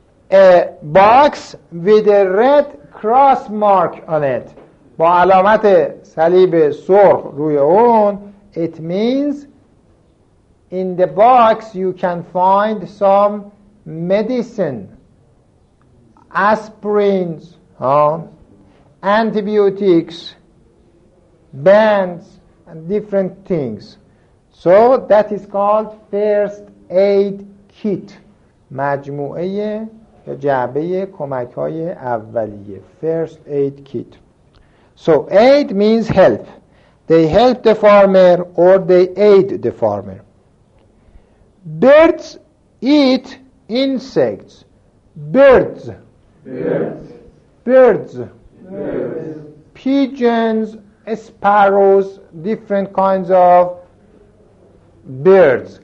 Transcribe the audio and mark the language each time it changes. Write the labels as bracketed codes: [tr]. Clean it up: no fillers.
[en] A box with a red cross mark on it. [fa] با علامت صلیب سرخ روی اون. [en] It means in the box you can find some medicine. Aspirins, antibiotics, bands, and different things. So that is called first aid kit. [fa] مجموعه یا جعبه کمک های اولیه. [en] First aid kit. So aid means help. They help the farmer or they aid the farmer. Birds eat insects. Birds. Birds. Birds. Pigeons, sparrows, different kinds of birds.